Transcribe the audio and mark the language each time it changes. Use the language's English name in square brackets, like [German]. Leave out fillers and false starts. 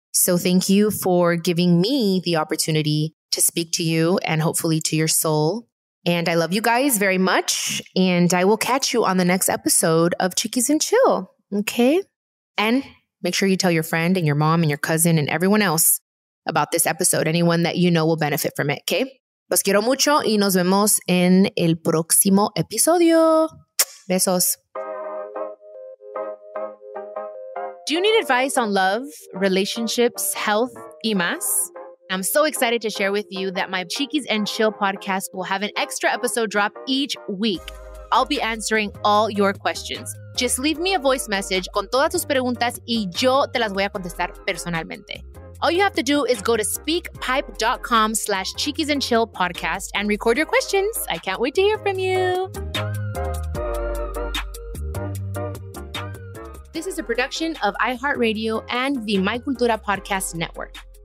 [English] So thank you for giving me the opportunity to speak to you and hopefully to your soul. And I love you guys very much. And I will catch you on the next episode of Chiquis and Chill. Okay. And make sure you tell your friend and your mom and your cousin and everyone else about this episode. Anyone that you know will benefit from it. Okay. [Spanish] Los quiero mucho y nos vemos en el próximo episodio. Besos. [English] Do you need advice on love, relationships, health, [Spanish] y más? [English] I'm so excited to share with you that my Chiquis and Chill podcast will have an extra episode drop each week. I'll be answering all your questions. Just leave me a voice message [Spanish] con todas tus preguntas y yo te las voy a contestar personalmente. [English] All you have to do is go to speakpipe.com/cheekiesandchillpodcast and record your questions. I can't wait to hear from you. This is a production of iHeartRadio and the My Cultura Podcast Network.